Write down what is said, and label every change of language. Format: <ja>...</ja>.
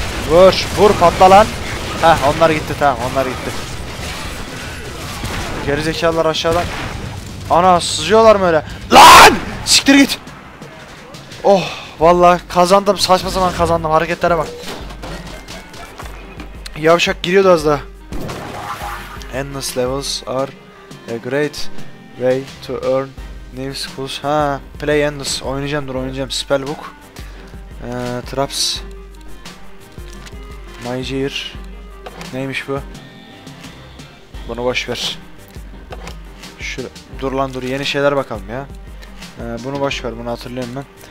<tr>Vur vur, patla lan. Heh, onlar gitti, tamam onlar gitti. Gerizekalılar aşağıdan. Ana, sızıyorlar mı öyle? Lan! Siktir git. Oh vallahi kazandım, saçma sapan kazandım, hareketlere bak. Yavşak giriyordu az daha.</tr> <en>Endless levels are a great way to earn new skills. Ha, play endless.</en> <tr>Oynayacağım, dur oynayacağım.</tr> <en>Spellbook. Traps.</en> <tr>Mygear. Neymiş bu? Bunu boş ver. Dur lan dur, yeni şeyler bakalım ya. Bunu boş ver, bunu hatırlıyorum ben.</tr>